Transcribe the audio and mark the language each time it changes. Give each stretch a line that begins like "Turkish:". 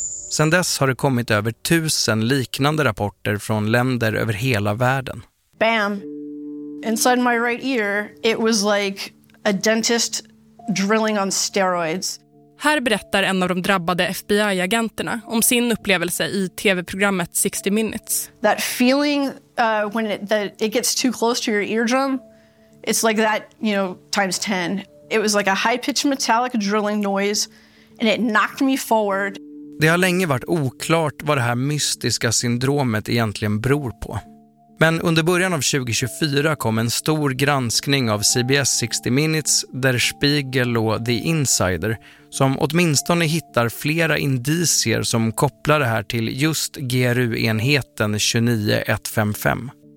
Swedish: Sedan dess har det kommit över 1000 liknande rapporter från länder över hela världen.
English: Bam. Inside my right ear, it was like a dentist drilling on steroids.
Swedish: Här berättar en av de drabbade FBI-agenterna om sin upplevelse i TV-programmet 60 Minutes.
English: That feeling when it gets too close to your eardrum, it's like that, you know, times 10. It was like a high-pitched metallic drilling noise and it knocked me forward.
Swedish: Det har länge varit oklart vad det här mystiska syndromet egentligen beror på. Men under början av 2024 kom en stor granskning av CBS 60 Minutes, Der Spiegel och The Insider som åtminstone hittar flera indicier som kopplar det här till just GRU-enheten 29155.